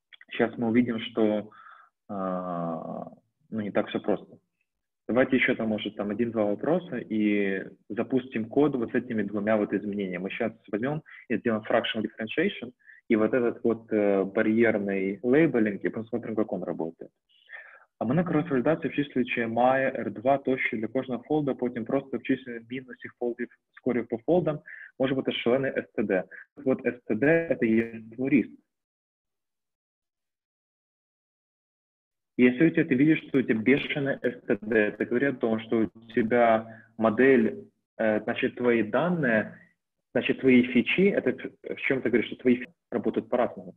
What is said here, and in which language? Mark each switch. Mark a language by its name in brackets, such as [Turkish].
[Russian] Сейчас мы увидим, что ну, не так все просто. Давайте еще там, может, там один-два вопроса и запустим код вот с этими двумя вот изменениями. Мы сейчас возьмем и сделаем fractional differentiation и вот этот вот барьерный лейблинг и посмотрим, как он работает. [Ukrainian] А мы на кросс-валидации вчислюючи MAE, R2, тощі для кожного фолда, потім просто вчислюємо мін усіх фолдів, скорів по фолдам, може бути шалений STD. От STD – це єдиний ризик. Якщо у тебе, ти бачиш, що у тебе бешеный STD, це говорить про те, що у тебе модель, значить, твої дані, [Russian] значит, твои фичи, это в чем-то говоришь, что твои фичи работают по-разному.